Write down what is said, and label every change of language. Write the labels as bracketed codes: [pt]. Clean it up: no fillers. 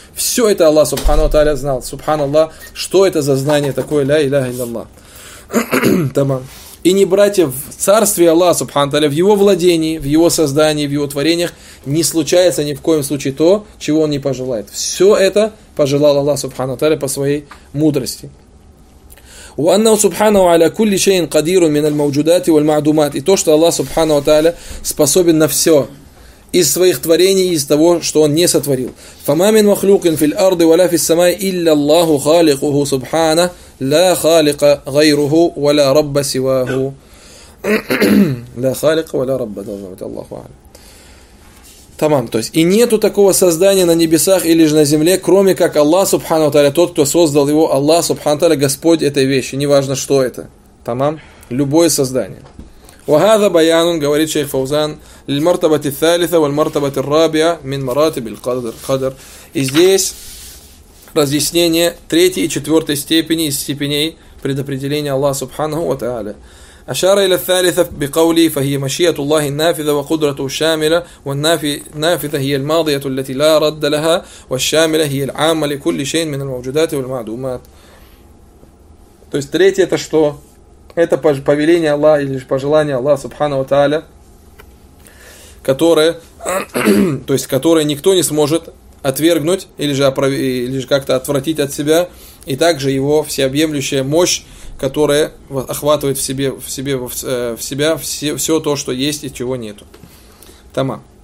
[ru] Все это Аллах Субхану Таля знал. Субханаллах, что это за знание такое, ля иляха илляллах. И не братья, в царстве Аллаха Субхану Таля, в его владении, в его создании, в его творениях не случается ни в коем случае то, чего он не пожелает. Все это пожелал Аллах Субхану Таля по своей мудрости. [ar] وأنه سبحانه على كل شيء قدير من الموجودات والمعدومات. [ru] И то, что Аллах Субхану Таля способен на все из своих творений, из того, что он не сотворил. [ar] فما من مخلوق في الأرض ولا في السماء إلا الله خالقه سبحانه لا خالق غيره ولا رب سواه لا خالق ولا رب [ru] должно быть [ar] Аллаху Акбар. [ru] Тамам, то есть и нету такого создания на небесах или же на земле, кроме как Аллах Субхану Таля, тот, кто создал его, Аллах Субхану Таля, Господь этой вещи, неважно что это. Тамам, любое создание. [ar] وهذا بيان [ru] говорит шейх Фаузан [ar] للمرتبة الثالثة والمرتبة الرابعة من مراتب القدر. [ru] И здесь разъяснение третьей и четвертой степени из степеней предопределения Аллаха Субхану ва Тааля. [ar] أشار إلى الثالثة بقوله فهي مشيئة الله النافذة وقدرته الشاملة والنافذة هي الماضية التي لا رد لها والشاملة هي العامة لكل شيء من الموجودات والمعدومات. [ru] То есть третье это что? Это повеление Аллаха или пожелание Аллаха Субхану ва Тааля, которое, то есть которое никто не сможет отвергнуть или же, как-то отвратить от себя, и также его всеобъемлющая мощь, которая охватывает в себя все то, что есть и чего нету. Тама.